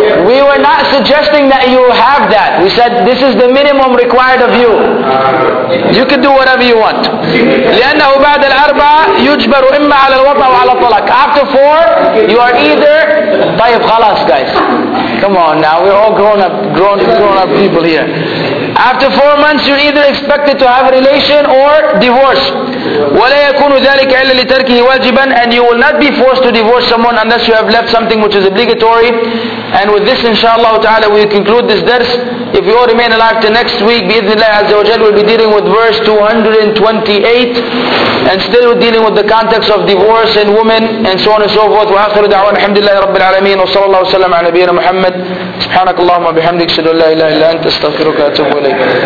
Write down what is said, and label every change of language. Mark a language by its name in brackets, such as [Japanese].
[English] We were not suggesting that you have that. We said this is the minimum required of you. You can do whatever you want. [Arabic] لأنه بعد الأربعة يجبر إما على الوطء أو على الطلاق. [English] After four, you are either. [Arabic] طيب خلاص guys. [English] Come on now, we're all grown up people here. After 4 months, you're either expected to have a relation or divorce. [Arabic] ولا يكون ذلك إلا لتركه واجبا. [English] And you will not be forced to divorce someone unless you have left something which is obligatory. And with this, inshallah ta'ala, we conclude this dars. If you all remain alive till next week, [Arabic] بإذن الله عز وجل, [English] we'll be dealing with verse 228. And still we're dealing with the context of divorce and women and so on and so forth. [Arabic] وآخر دعوة الحمد لله رب العالمين وصلى الله وسلم على نبينا محمد. سبحانك اللهم وبحمدك اشهد ان لا اله الا انت استغفرك واتوب اليك.